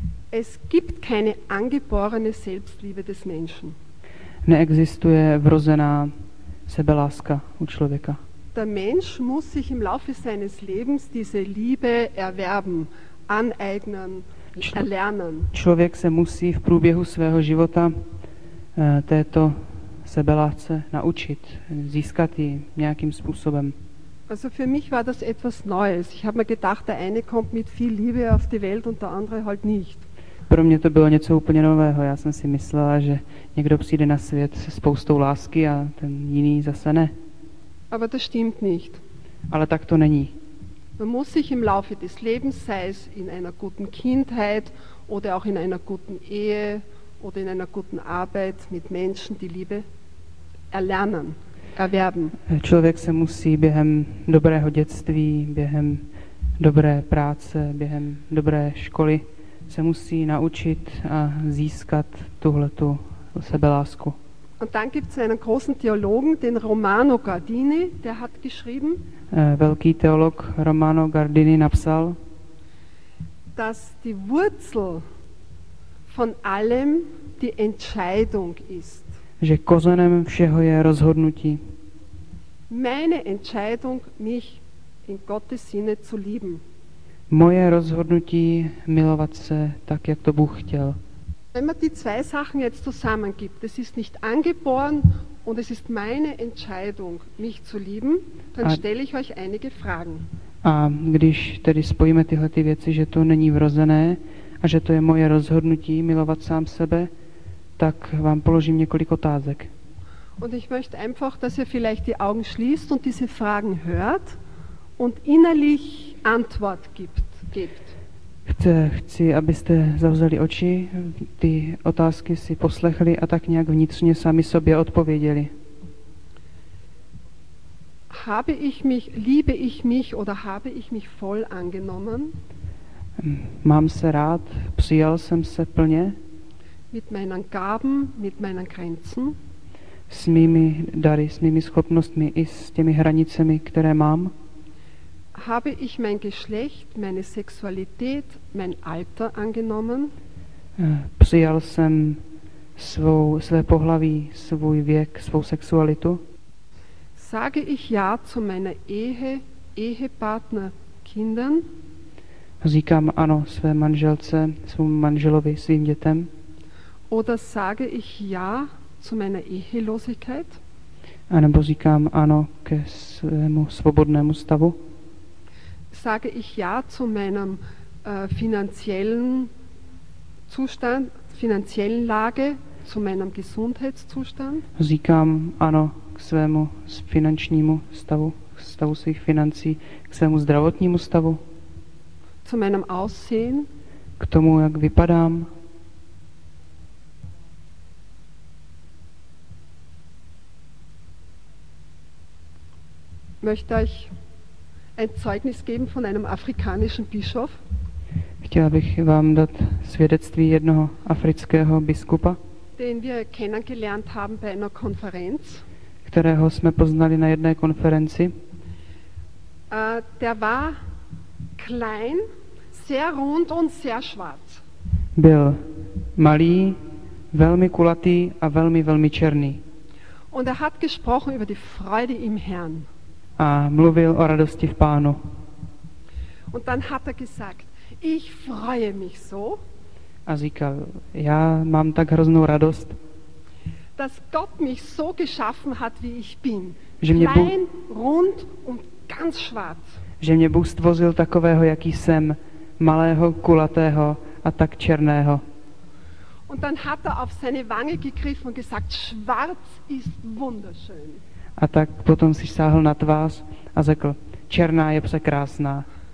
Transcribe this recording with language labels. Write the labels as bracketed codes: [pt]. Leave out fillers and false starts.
[de] es gibt keine angeborene Selbstliebe des Menschen. [cs] Neexistuje vrozená sebeláska u člověka. [de] Der Mensch muss sich im Laufe seines Lebens diese Liebe erwerben, aneignen, erlernen. [cs] Člověk se musí v průběhu svého života této sebeláce naučit, získat ji nějakým způsobem. [de] Also für mich war das etwas Neues. Ich habe mir gedacht, der eine kommt mit viel Liebe auf die Welt und der andere halt nicht. [cs] Pro mě to bylo něco úplně nového. Já jsem si myslela, že někdo přijde na svět se spoustou lásky a ten jiný zase ne. [de] Aber das stimmt nicht. [cs] Ale tak to není. [de] Man muss sich im Laufe des Lebens, sei es in einer guten Kindheit oder auch in einer guten Ehe oder in einer guten Arbeit mit Menschen, die Liebe erlernen, erwerben. [cs] Člověk se musí během dobrého dětství, během dobré práce, během dobré školy se musí naučit a získat tuhletu sebelásku. [de] Und dann gibt es einen großen Theologen, den Romano Guardini, der hat geschrieben, [cs] velký teolog Romano Guardini napsal, [de] dass die Wurzel von allem die Entscheidung ist. [cs] Že kořenem všeho je rozhodnutí. [de] Meine Entscheidung, mich in Gottes Sinne zu lieben. [cs] Moje rozhodnutí milovat se tak, jak to Bůh chtěl. [de] Wenn man die zwei Sachen jetzt zusammengibt, es ist nicht angeboren und es ist meine Entscheidung, mich zu lieben, dann stelle ich euch einige Fragen. [cs] A když tedy spojíme tyhle ty věci, že to není vrozené a že to je moje rozhodnutí milovat sám sebe, tak vám položím několik otázek. [de] Und ich möchte einfach, dass ihr vielleicht die Augen schließt und diese Fragen hört und innerlich Antwort gibt. [cs] Chci, abyste zavřeli oči, ty otázky si poslechli a tak nějak vnitřně sami sobě odpověděli. [de] Habe ich mich, liebe ich mich oder habe ich mich voll angenommen? [cs] Mám se rád, přijal jsem se plně? [de] Mit meinen Gaben, mit meinen Grenzen? [cs] S mými dary, s mými schopnostmi i s těmi hranicemi, které mám? [de] Habe ich mein Geschlecht, meine Sexualität, mein Alter angenommen? [cs] Přijal jsem své pohlaví, svůj věk, svou sexualitu? [de] Sage ich ja zu meiner Ehe, Ehepartner, Kindern? [cs] Říkám ano své manželce, svému manželovi, svým dětem? [de] Oder sage ich ja zu meiner Ehelosigkeit? [cs] A nebo říkám ano ke svému svobodnému stavu? [de] Sage ich ja zu meinem finanziellen Zustand, finanziellen Lage, zu meinem Gesundheitszustand? [cs] Říkám ano k svému finančnímu stavu, k stavu svých financí, k svému zdravotnímu stavu. [de] Zu meinem Aussehen? [cs] K tomu, jak vypadám. [de] Möchte ich ein Zeugnis geben von einem afrikanischen Bischof? [cs] Chtěla bych vám dát svědectví jednoho afrického biskupa, [de] den wir kennengelernt haben bei einer Konferenz, [cs] kterého jsme poznali na jedné konferenci. [de] Der war klein, sehr rund und sehr schwarz. [cs] Byl malý, velmi kulatý a velmi, velmi černý. [de] Und hat gesprochen über die Freude im Herrn. [cs] A mluvil o radosti v Pánu. [de] Und dann hat gesagt, ich freue mich so. [cs] A říkal, já mám tak hroznou radost. [de] Dass Gott mich so geschaffen hat, wie ich bin. Klein, rund und ganz schwarz. [cs] Že mě Bůh stvořil takového, jaký jsem, malého, kulatého a tak černého. [de] Und dann hat auf seine Wange gegriffen und gesagt, schwarz ist wunderschön. [cs] A tak potom si sáhl na tvář a řekl, černá je překrásná.